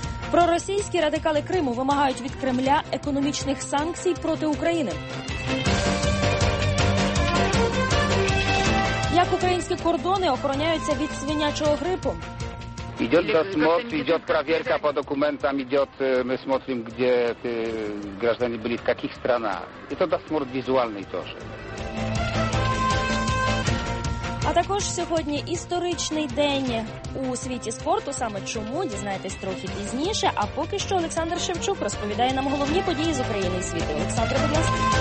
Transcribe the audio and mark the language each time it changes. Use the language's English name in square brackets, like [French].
[Ukrainian] Проросійські радикали Криму вимагають від Кремля економічних санкцій проти України. Як українські кордони охороняються від свинячого грипу? [Russian] Идет досмотр, идет проверка по документам, идет, мы смотрим, где ты, граждане были, в каких странах. Это досмотр визуальный тоже. [Ukrainian] А також сьогодні історичний день у світі спорту. Саме чому, дізнаєтесь трохи пізніше. А поки що Олександр Шевчук розповідає нам головні події з України і світу. Олександр, будь ласка.